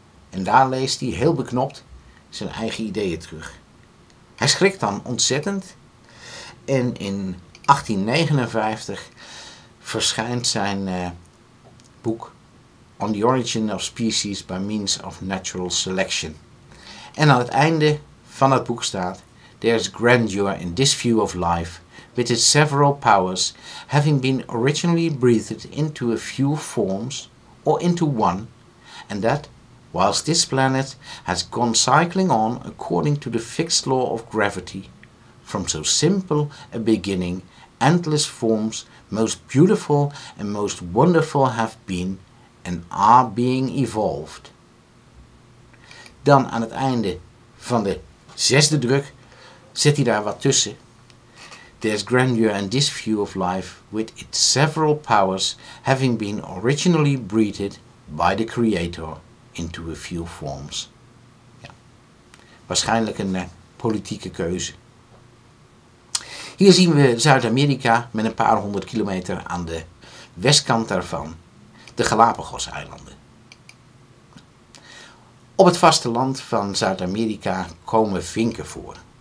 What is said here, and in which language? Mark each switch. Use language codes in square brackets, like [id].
[nl] En daar leest hij heel beknopt zijn eigen ideeën terug. Hij schrikt dan ontzettend en in 1859 verschijnt zijn boek On the Origin of Species by Means of Natural Selection. En aan het einde van het boek staat: [en] There's grandeur in this view of life, with its several powers, having been originally breathed into a few forms, or into one, and that, whilst this planet has gone cycling on according to the fixed law of gravity, from so simple a beginning, endless forms, most beautiful and most wonderful have been, and are being evolved. [nl] Dan aan het einde van de zesde druk zet hij daar wat tussen. [en] There's grandeur in this view of life, with its several powers, having been originally breathed by the Creator into a few forms. [nl] Ja. Waarschijnlijk een politieke keuze. Hier zien we Zuid-Amerika met een paar honderd kilometer aan de westkant daarvan, de Galapagos-eilanden. Op het vasteland van Zuid-Amerika komen vinken voor.